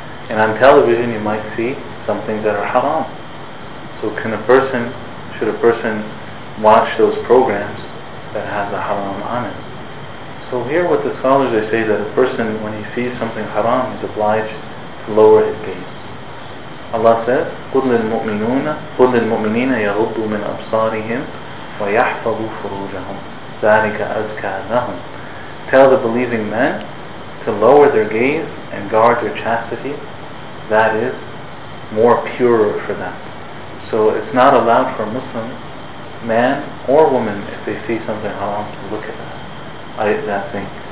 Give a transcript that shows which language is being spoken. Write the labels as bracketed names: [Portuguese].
[English] And on television you might see some things that are haram. So can a person, should a person watch those programs that have the haram on it? So here what the scholars, they say that a person, when he sees something haram, is obliged to lower his gaze. Allah says, [Arabic] قُلْ لِلْمُؤْمِنِينَ يَغُضُّوا مِنْ أَبْصَارِهِمْ وَيَحْفَظُوا فُرُوجَهُمْ ذَلِكَ أَزْكَى لَهُمْ. [English] Tell the believing men to lower their gaze and guard their chastity. That is more pure for them. So it's not allowed for a Muslim man or woman, if they see something haram, to look at that thing.